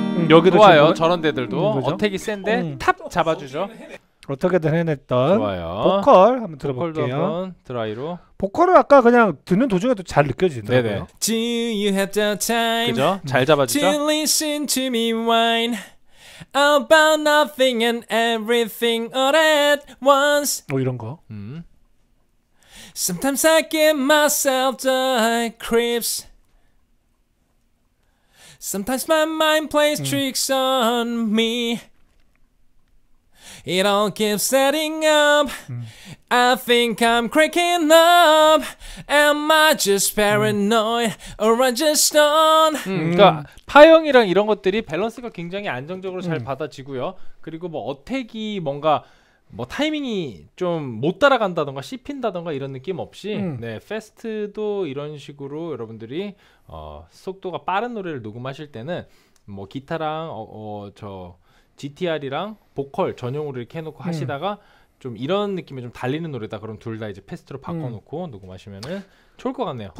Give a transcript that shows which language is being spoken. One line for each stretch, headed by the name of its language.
Korean: 여기도 좋아요. 저런 데들도 어택이 센데 탑 잡아주죠. 어떻게든 해냈던 좋아요. 보컬 한번 들어볼게요. 보컬도 한번 드라이로. 보컬은 아까 그냥 듣는 도중에도 잘 느껴지더라고요. 네네.
English: Do you have the time?
Korean: 그죠? 잘 잡아주죠.
English: To listen to me whine about nothing and everything all at once.
Korean: 뭐 이런 거.
English: Sometimes I give myself the creeps. Sometimes my mind plays tricks on me. It all keeps setting up. I think I'm cracking up. Am I just paranoid or I'm just stoned?
Korean: 그러니까 파형이랑 이런 것들이 밸런스가 굉장히 안정적으로 잘 받아지고요. 그리고 뭐 어택이 뭔가 뭐 타이밍이 좀 못 따라간다던가 씹힌다던가 이런 느낌 없이 네, 패스트도 이런 식으로 여러분들이 속도가 빠른 노래를 녹음하실 때는 뭐 기타랑 저 GTR이랑 보컬 전용으로 이렇게 해놓고 하시다가 좀 이런 느낌에 좀 달리는 노래다 그럼 둘 다 이제 패스트로 바꿔놓고 녹음하시면은 좋을 것 같네요.